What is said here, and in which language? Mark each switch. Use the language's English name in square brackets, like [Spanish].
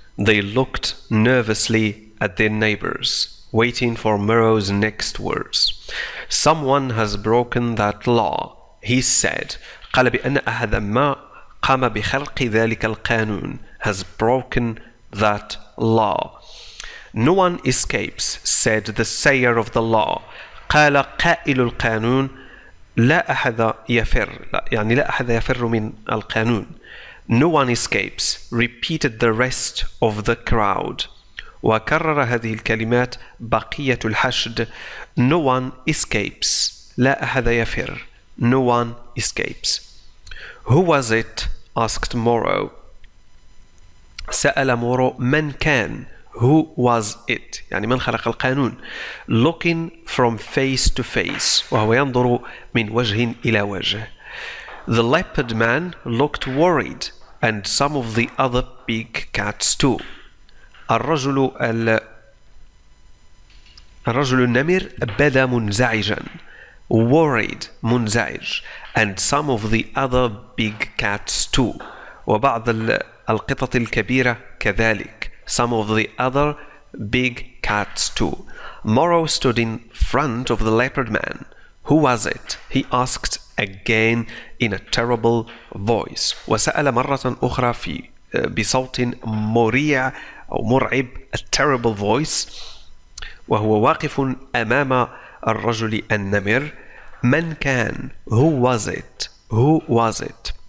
[English] They looked nervously at their neighbors, waiting for Murrow's next words. Someone has broken that law, he said. [Arabic] قال بأن أحد ما قام بخلق ذلك القانون. [English] Has broken that law. No one escapes, said the sayer of the law. [Arabic] قال قائل القانون لا أحد يفر, يعني لا أحد يفر من القانون. [English] No one escapes, repeated the rest of the crowd. [Arabic] وكرر هذه الكلمات بقية الحشد. [English] No one escapes, [Arabic] لا أحد يفر. [English] No one escapes. Who was it? Asked Morrow. [Arabic] سأل مورو من كان. [English] Who was it? [Arabic] يعني من خلق القانون. [English] Looking from face to face. [Arabic] وهو ينظر من وجه إلى وجه. [English] The leopard man looked worried. And some of the other big cats too. [Arabic] الرجل النمر بدا منزعجا. [English] Worried, منزعج. And some of the other big cats too. [Arabic] وبعض القطط الكبيرة كذلك. [English] Some of the other big cats too. Morrow stood in front of the leopard man. Who was it? He asked again in a terrible voice. [Arabic] وسأل مرة أخرى في بصوت مريع أو مرعب. [English] A terrible voice. [Arabic] وهو واقف أمام الرجل النمر. من كان? [English] Who was it? Who was it?